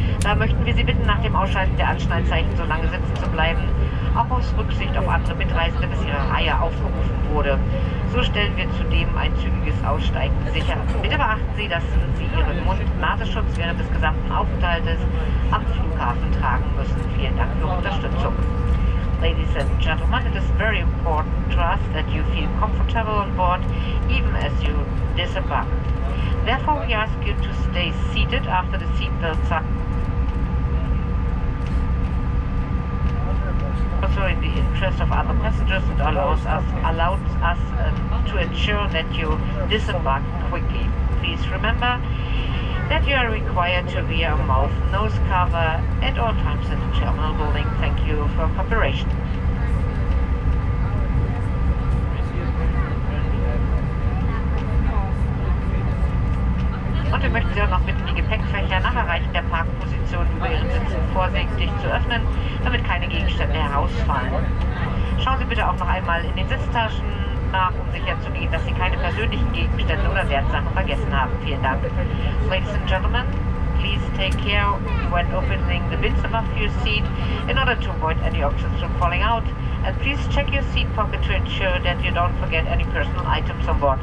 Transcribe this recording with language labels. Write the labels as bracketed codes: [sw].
[de] Da möchten wir Sie bitten, nach dem Ausschalten der Anschnallzeichen so lange sitzen zu bleiben, auch aus Rücksicht auf andere Mitreisende, bis Ihre Reihe aufgerufen wurde. So stellen wir zudem ein zügiges Aussteigen sicher. Bitte beachten Sie, dass Sie Ihren Mund-Nasenschutz während des gesamten Aufenthaltes am Flughafen tragen müssen. Vielen Dank für Ihre Unterstützung. [en] Ladies and gentlemen, it is very important to us that you feel comfortable on board, even as you disembark. Therefore, we ask you to stay seated after the seatbelts are also in the interest of other passengers, it allows us to ensure that you disembark quickly. Please remember that you are required to wear a mouth nose cover at all times in the terminal building. Thank you for cooperation. [de] Und wir möchten Sie auch noch bitten, die Gepäckfächer nach Erreichen der Parkposition über Ihren Sitzen vorsichtig zu öffnen, damit keine Gegenstände herausfallen. Schauen Sie bitte auch noch einmal in den Sitztaschen nach, um sicherzugehen, dass Sie keine persönlichen Gegenstände oder Wertsachen vergessen haben. Vielen Dank. [en] Ladies and gentlemen, please take care when opening the bins above your seat in order to avoid any objects from falling out. And please check your seat pocket to ensure that you don't forget any personal items on board.